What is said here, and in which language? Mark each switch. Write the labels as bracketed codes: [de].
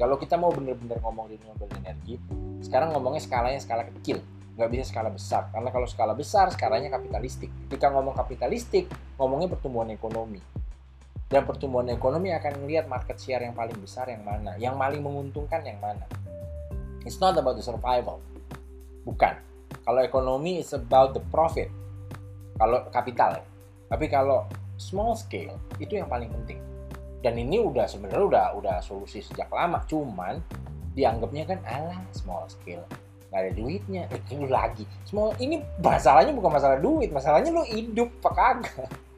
[id] Kalau kita mau benar-benar ngomong renewable energy, sekarang ngomongnya skalanya skala kecil, nggak bisa skala besar. Karena kalau skala besar, skalanya kapitalistik. Ketika ngomong kapitalistik, ngomongnya pertumbuhan ekonomi. Dan pertumbuhan ekonomi akan melihat market share yang paling besar yang mana, yang paling menguntungkan yang mana. [en] It's not about the survival. [id] Bukan. Kalau ekonomi, [en] it's about the profit. [id] Kalau kapital. Tapi kalau small scale, itu yang paling penting. Dan ini udah sebenarnya udah solusi sejak lama, cuman dianggapnya kan alah small scale, nggak ada duitnya. Lu lagi small, ini masalahnya bukan masalah duit, masalahnya lu hidup apa kagak.